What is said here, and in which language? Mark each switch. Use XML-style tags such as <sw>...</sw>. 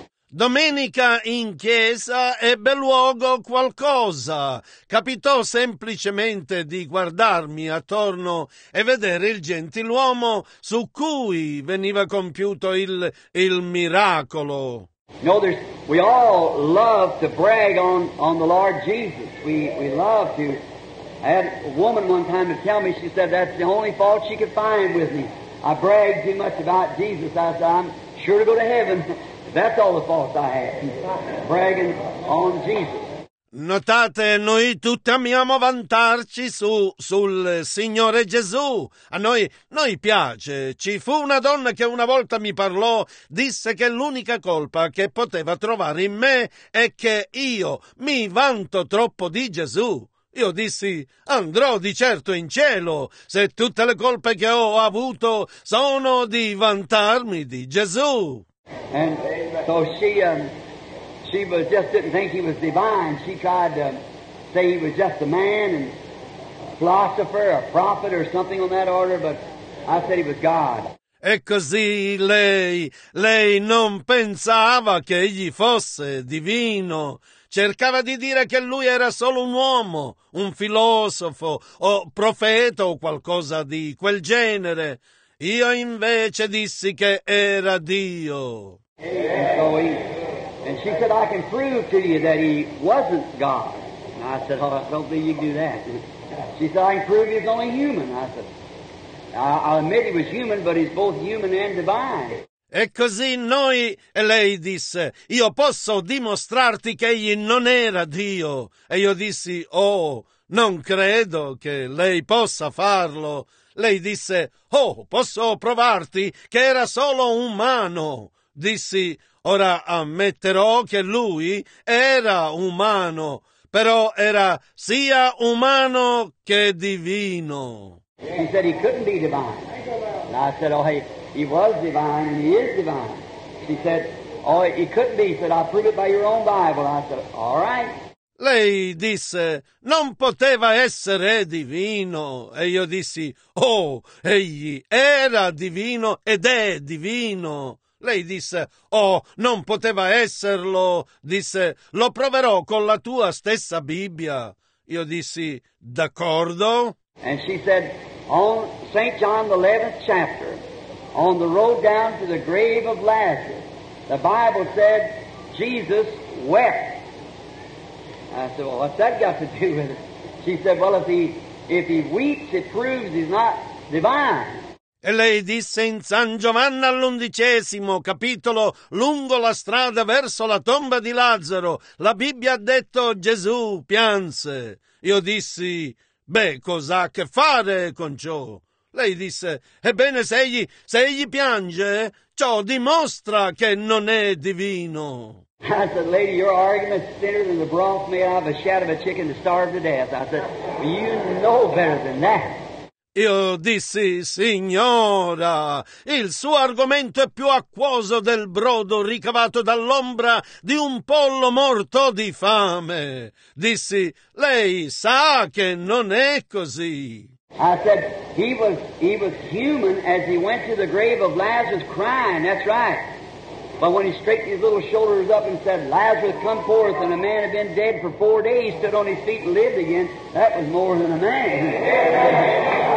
<it>Domenica in chiesa ebbe luogo qualcosa. Capitò semplicemente di guardarmi attorno e vedere il gentiluomo su cui veniva compiuto il miracolo.</it> <en>No, we all love to brag on the Lord Jesus. We love to. I had a woman one time to tell me, she said, that's the only fault she could find with me. I brag too much about Jesus. I said, I'm sure to go to heaven. That's all the faults I have, bragging on Jesus.</en> <it>Notate, noi tutti amiamo vantarci sul Signore Gesù. A noi piace. Ci fu una donna che una volta mi parlò, disse che l'unica colpa che poteva trovare in me è che io mi vanto troppo di Gesù. Io dissi, andrò di certo in cielo se tutte le colpe che ho avuto sono di vantarmi di Gesù.</it> <en>And so she was just didn't think he was divine. She tried to say he was just a man and a philosopher, a prophet or something on that order, but I said he was God.</en> <it>E così lei non pensava che egli fosse divino. Cercava di dire che lui era solo un uomo, un filosofo o profeta o qualcosa di quel genere. Io invece dissi che era Dio.</it> <en>And she said, I can prove to you that he wasn't God. And I said, oh, I don't think you can do that. She said, I can prove he's only human. I said, I'll admit he was human, but he's both human and divine.</en> <it>E così noi, e lei disse, io posso dimostrarti che egli non era Dio. E io dissi, oh, non credo che lei possa farlo. Lei disse, oh, posso provarti che era solo umano. Dissi, ora ammetterò che lui era umano, però era sia umano che divino.</it> <en>He said he couldn't be divine. And I said, oh, he was divine and he is divine. She said, oh, he couldn't be. He said, I'll prove it by your own Bible. I said, all right.</en> <it>Lei disse, non poteva essere divino. E io dissi, oh, egli era divino ed è divino. Lei disse, oh, non poteva esserlo. Disse, lo proverò con la tua stessa Bibbia. Io dissi, d'accordo.</it> <en>And she said, on St. John, the 11th chapter, on the road down to the grave of Lazarus, the Bible said, Jesus wept. I said, well, what's that got to do with it? She said, well, if he weeps, it proves he's not divine.</en> <it>E lei disse in San Giovanni all'undicesimo capitolo, lungo la strada verso la tomba di Lazzaro, la Bibbia ha detto Gesù pianse. Io dissi, beh, cos'ha a che fare con ciò? Lei disse, ebbene, se egli piange, ciò dimostra che non è divino.</it> <en>I said, lady, your argument is thinner than the broth made out of a shadow of a chicken to starve to death. I said, you know better than that.</en> <it>Io dissi, signora, il suo argomento è più acquoso del brodo ricavato dall'ombra di un pollo morto di fame. Dissi, lei sa che non è così.</it> <en>I said, he was human as he went to the grave of Lazarus crying, that's right. But when he straightened his little shoulders up and said, Lazarus, come forth, and a man had been dead for 4 days, stood on his feet and lived again, that was more than a man.</en>